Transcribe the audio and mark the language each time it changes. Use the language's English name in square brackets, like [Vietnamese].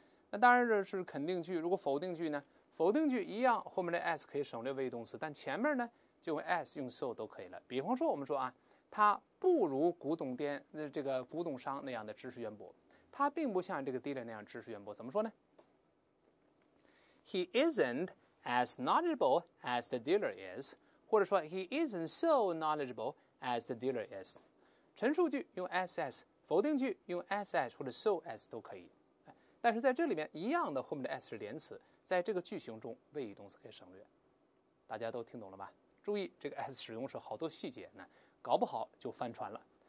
[Chinese] 那当然这是肯定句，如果否定句呢？否定句一样，后面的 as 可以省略谓语动词，但前面呢就用 as 用 so 都可以了。比方说我们说啊，他不如古董店那这个古董商那样的知识渊博，他并不像这个 dealer 那样知识渊博，怎么说呢？ [English] He isn't as knowledgeable as the dealer is， [Chinese] 或者说 [English] He isn't so knowledgeable as the dealer is。 [Chinese] 陈述句用 as， 否定句用 as 或者 so as 都可以，但是在这里面一样的，后面的 as 是连词，在这个句型中谓语动词可以省略。大家都听懂了吧？注意这个 as 使用时好多细节呢，搞不好就翻船了。